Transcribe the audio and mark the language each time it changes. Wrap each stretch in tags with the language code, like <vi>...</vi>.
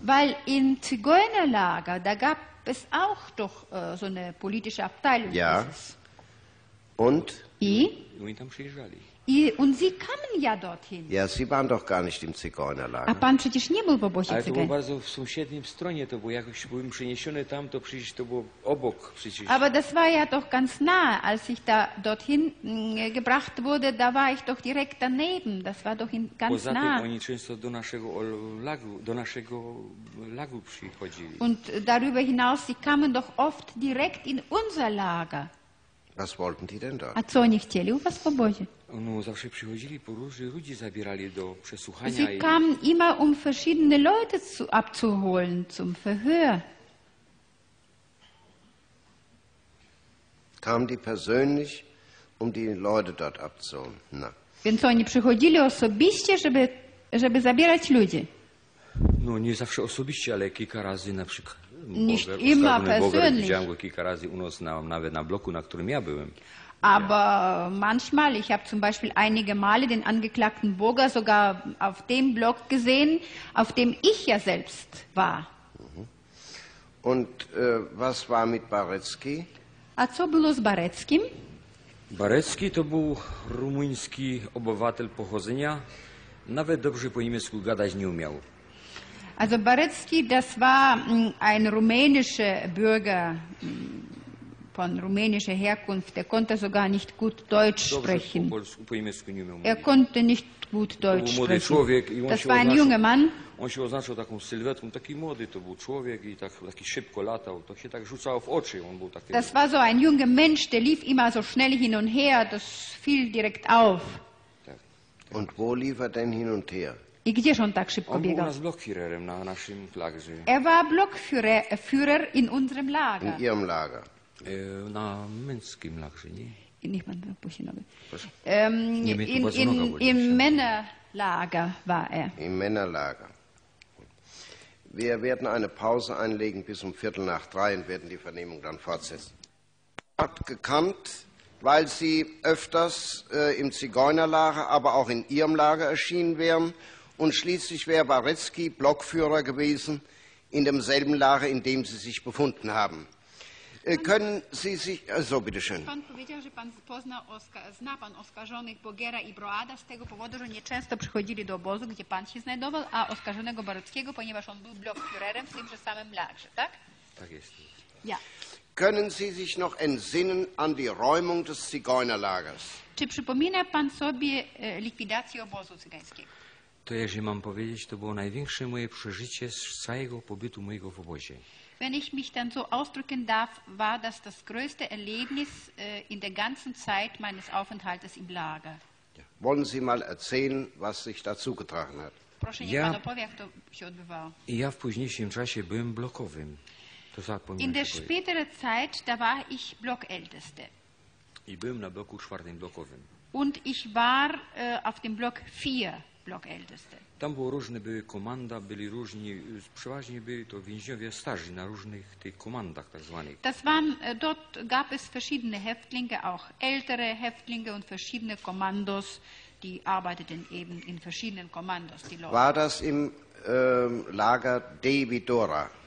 <de>Weil in Zigeunerlager, da gab es auch doch so eine politische Abteilung. Ja.</de> <pl>Oni tam przyjeżdżali.</pl> <de>Und sie kamen ja dorthin. Ja, sie waren doch gar nicht im Zigeunerlager.</de> <pl>A pan przecież nie był w obozie Cygańskim. Ale to było bardzo w sąsiednim stronie, to było jakoś, byłem przeniesiony tam, to przecież to było obok przecież.</pl> <de>Aber das war ja doch ganz nah, als ich da dorthin gebracht wurde, da war ich doch direkt daneben, das war doch ganz nah.</de> <pl>Poza tym oni często do naszego lagu przychodzili.</pl> <de>Und darüber hinaus, sie kamen doch oft direkt in unser Lager. Was wollten die denn da?</de> <pl>A co oni chcieli u was w obozie? No, zawsze przychodzili po różnych ludzi, zabierali do przesłuchania.</pl> <de>Sie kamen immer verschiedene Leute abzuholen zum Verhör. Kamen die persönlich um die Leute dort abzuholen. Na.</de> <pl>Więc oni przychodzili osobiście, żeby zabierać ludzi. No, nie zawsze osobiście, ale kilka razy na przykład.</pl> <de>Nicht Boga, immer persönlich.</de> <pl>Widziałem go kilka razy u nas, nawet na bloku, na którym ja byłem.</pl> <de>Aber ja. Manchmal, ich habe zum Beispiel einige Male den angeklagten Burger sogar auf dem Block gesehen, auf dem ich ja selbst war. Und was war mit Barecki?</de> <pl>A co było z Bareckim? Barecki to był rumuński obywatel pochodzenia. Nawet dobrze po niemiecku gadać nie umiał.</pl> <de>Also Barecki, das war ein rumänischer Bürger von rumänischer Herkunft. Er konnte sogar nicht gut Deutsch sprechen. Er konnte nicht gut Deutsch sprechen. Das war ein junger Mann.</de> <pl>On się oznaczał taką sylwetką, taki młody to był człowiek i tak, taki szybko latał, to się tak rzucało w oczy. On był taki...</pl> <de>Das war so ein junger Mensch, der lief immer so schnell hin und her, das fiel direkt auf. Und wo lief er denn hin und her?</de> <pl>I gdzież on tak szybko on biegał? On był nas blokführerem na naszym lagerze.</pl> <de>Er war Blockführer in unserem Lager. In ihrem Lager.</de> <pl>Na męskim lagerze, nie? Niech pan wypuści nogę.</pl> <de>Im Männerlager war er. Im Männerlager. Wir werden eine Pause einlegen bis um 14:45 und werden die Vernehmung dann fortsetzen. Hat gekannt, weil Sie öfters im Zigeunerlager, aber auch in Ihrem Lager erschienen wären. Und schließlich wäre Barecki Blockführer gewesen in demselben Lager, in dem Sie sich befunden haben. Können Sie sich... So, bitteschön.</de> <pl>Pan powiedział, że pan pozna, zna pan oskarżonych Bogera i Broada z tego powodu, że nieczęsto przychodzili do obozu, gdzie pan się znajdował, a oskarżonego Barockiego, ponieważ on był blokführerem w tymże samym lagrze, tak? Tak jest.</pl> <de>Ja. Können Sie sich noch entsinnen an die Räumung des Zigeunerlagers?</de> <pl>Czy przypomina pan sobie likwidację obozu cygańskiego? To, jeżeli mam powiedzieć, to było największe moje przeżycie z całego pobytu mojego w obozie.</pl> <de>Wenn ich mich dann so ausdrücken darf, war das das größte Erlebnis in der ganzen Zeit meines Aufenthaltes im Lager. Ja. Wollen Sie mal erzählen, was sich dazu getragen hat?</de> <pl>Proszę, niech pan opowie, jak to się odbywało. Ja w późniejszym czasie byłem blokowym. To zapomniałem.</pl> <de>In der späteren Zeit, da war ich Blockälteste.</de> <pl>I byłem na bloku czwartym blokowym.</pl> <de>Und ich war auf dem Block 4.</de> <pl>Tam było różne, były komanda, byli różni, przeważnie byli to więźniowie starzy na różnych tych komandach tak zwanych.</pl> <de>Das waren, dort gab es verschiedene Häftlinge, auch ältere Häftlinge und verschiedene Kommandos, die arbeiteten eben in verschiedenen Kommandos. Die Leute. War das im Lager D wie Dora?</de>